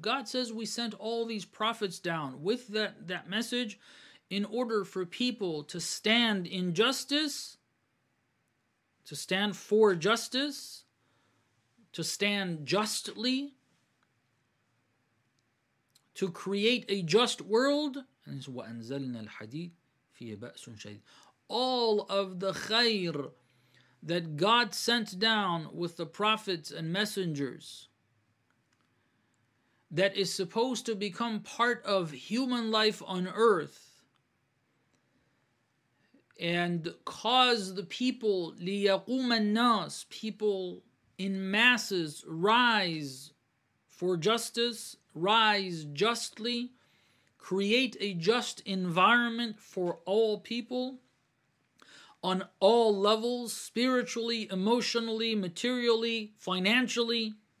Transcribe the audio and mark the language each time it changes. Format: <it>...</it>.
<en>God says we sent all these prophets down with that message in order for people to stand in justice, to stand for justice, to stand justly, to create a just world. And this is</en> <ar>وَأَنزَلْنَا الْحَدِيدِ فِيهِ بَأْسٌ شَدِيدٌ.</ar> <en>All of the khayr that God sent down with the prophets and messengers that is supposed to become part of human life on earth and cause the people,</en> <ar>لِيَقُومَ النَّاسِ,</ar> <en>people in masses, rise for justice, rise justly, create a just environment for all people, on all levels, spiritually, emotionally, materially, financially.</en>